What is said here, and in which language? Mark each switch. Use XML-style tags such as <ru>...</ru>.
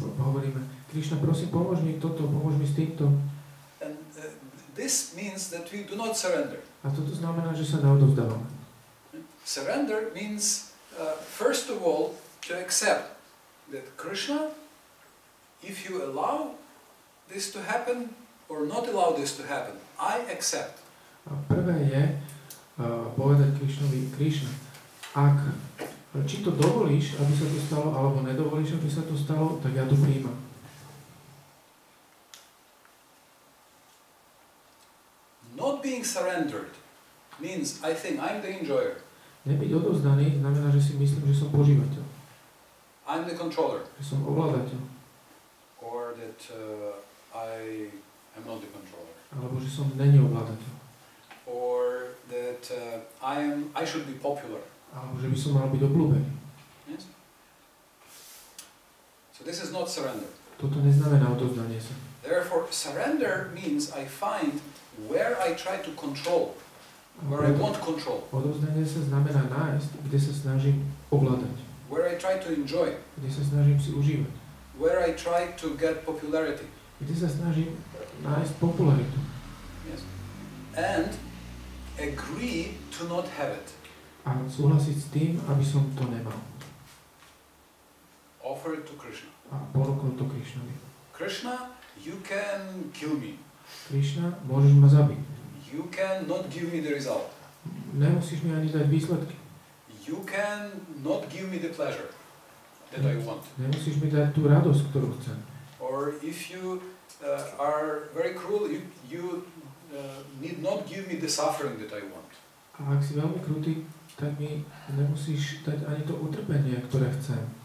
<sk>Hovoríme, Krishna, prosím, pomôž mi toto, pomôž mi s týmto.</sk> <en>And this means that we do not surrender.</en> <sk>A toto znamená, že sa neodovzdávame.</sk> <en>Surrender means, first of all, to accept that Krishna, if you allow this to happen or not allow this to happen, I accept.</en> <sk>A prvé je povedať Krishnovi, Krishna, ak či to dovolíš, aby sa to stalo, alebo nedovolíš, aby sa to stalo, tak ja to prijímam.</sk> <en>Not being surrendered means I think I'm the enjoyer.</en> <sk>Nebyť odovzdaný znamená, že si myslím, že som požívateľ.</sk> <en>I'm the controller.</en> <sk>Že som ovládateľ.</sk> <en>Or that I am not the controller.</en> <sk>Alebo že som není ovládateľ.</sk> <en>Or that I should be popular.</en> <sk>Alebo že by som mal byť obľúbený.</sk> <en>Yes. So this is not surrender.</en> <sk>Toto neznamená odovzdanie sa.</sk> <en>Therefore surrender means I find where I try to control, where I want control.</en> <sk>Odovzdanie sa znamená nájsť, kde sa snažím ovládať.</sk> <en>Where I try to enjoy.</en> <sk>Kde sa snažím si užívať.</sk> <en>Where I try to get popularity.</en> <sk>Kde sa snažím nájsť popularitu.</sk> <en>Yes. And agree to not have it.</en> <sk>A súhlasiť s tým, aby som to nemal.</sk> <en>Offer it to Krishna.</en> <sk>A ponúknuť to Krishnovi.</sk> <en>Krishna, you can kill me.</en> <sk>Krishna, môžeš ma zabiť.</sk> <en>You can not give me the result.</en> <sk>Nemusíš mi ani dať výsledky.</sk> <en>You can not give me the pleasure that I want.</en> <sk>Nemusíš mi dať tú radosť, ktorú chcem.</sk> <en>Or if you are very cruel, you need not give me the suffering that I want.</en> <sk>A ak si veľmi krutý, tak mi nemusíš dať ani to utrpenie, ktoré chcem.</sk>